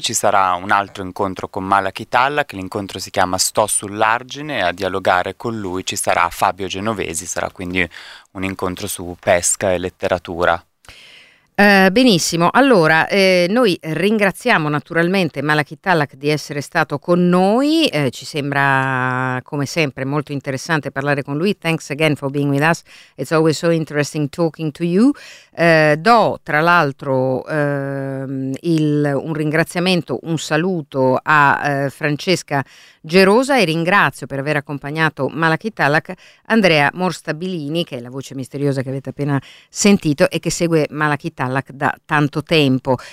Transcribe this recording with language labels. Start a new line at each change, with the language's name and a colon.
Italian: Ci sarà un altro incontro con Malachi Tallack, che l'incontro si chiama Sto sull'argine, e a dialogare con lui ci sarà Fabio Genovesi, sarà quindi un incontro su pesca e letteratura. Benissimo, allora noi ringraziamo naturalmente Malachi Tallack di essere stato con noi, ci sembra come sempre molto interessante parlare con lui.
English: Thanks again for being with us, it's always so interesting talking to you.
Italian: Do tra l'altro un ringraziamento, un saluto a Francesca Gerosa, e ringrazio per aver accompagnato Malachi Tallack Andrea Morstabilini, che è la voce misteriosa che avete appena sentito e che segue Malachi Tallack da tanto tempo.